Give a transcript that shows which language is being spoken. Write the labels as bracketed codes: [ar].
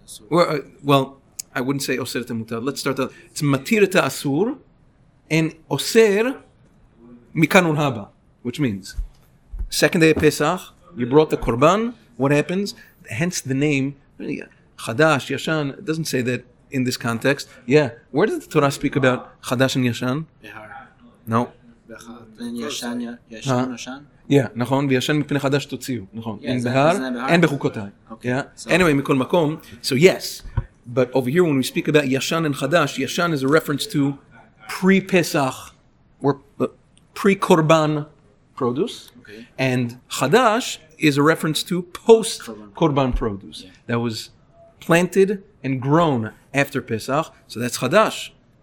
[en] Well, I wouldn't say Oser et HaMutar. Let's start out. It's Matir et HaAsur and Oser Mikanun Haba, which means second day of Pesach, you brought the Korban. What happens? Hence the name Chadash, Yashan. It doesn't say that in this context. Yeah. Where did the Torah speak about Chadash and Yashan? Behar. No. Behar. Yashan. [he] Yeah, נכון, וישן מפני חדש תוציאו, נכון. אין בהר, אין בחוקותיי. [en] Anyway, [he] מכל מקום, [en] so yes, but over here when we speak about ישן and חדש, ישן is a reference to pre-Pesach, or pre-Korban produce, and חדש is a reference to post-Korban produce, that was planted and grown after Pesach, so that's חדש.